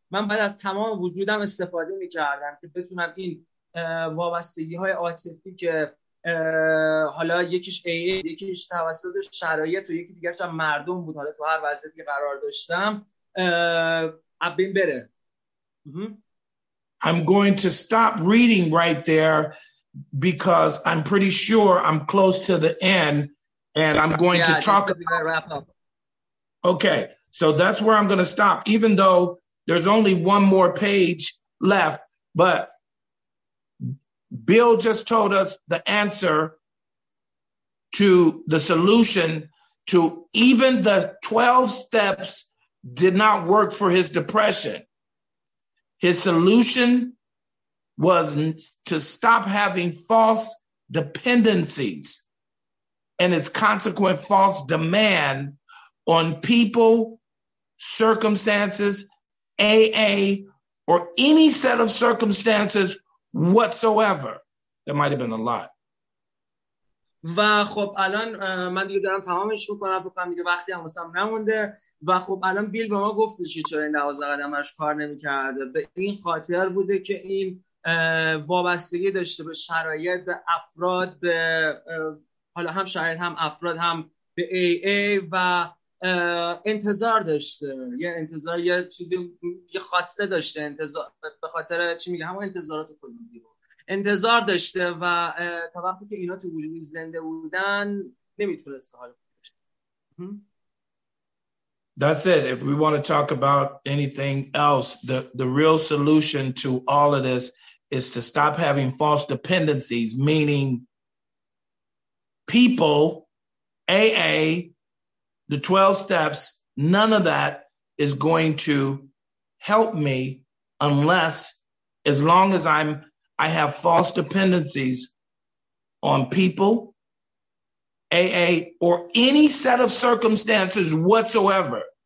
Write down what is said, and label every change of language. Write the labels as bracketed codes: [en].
[fa] من بعد از تمام وجودم استفاده می‌کردم که بتونم این وابستگی‌های عاطفی که حالا یکیش AA یکیش توسط شرایط و یکی دیگرش هم مردم بود حالا تو هر وضعیتی که قرار داشتم ابین بره. [en] I'm going to stop reading right there because I'm pretty sure I'm close to the end and I'm going yeah, to talk about wrap up. Okay, so that's where I'm going to stop, even though there's only one more page left. But Bill just told us the answer to the solution to even the 12 steps did not work for his depression. His solution was to stop having false dependencies and its consequent false demand on people, circumstances, AA, or any set of circumstances whatsoever. That might have been a lot. [fa] و خب الان من دیگه دارم تمامش میکنم بکنم دیگه وقتی هم مثلا نمونده و خب الان بیل به ما گفته چی چرا این 12 قدمش کار نمیکرده. به این خاطر بوده که این وابستگی داشته به شرایط به افراد به حالا هم شرایط هم افراد هم به AA و انتظار داشته یه انتظار یه چیزی یه خواسته داشته انتظار به خاطر چی میگه همون انتظارات خودم دیگه انتظار داشته و تا وقتی که اینا تو وجود زنده بودن نمیتونست حال بشه. [en] That's it. If we want to talk about anything else, the real solution to all of this is to stop having false dependencies, meaning people, AA, the 12 steps, none of that is going to help me unless, as long as I have false dependencies on people, AA, or any set of circumstances whatsoever.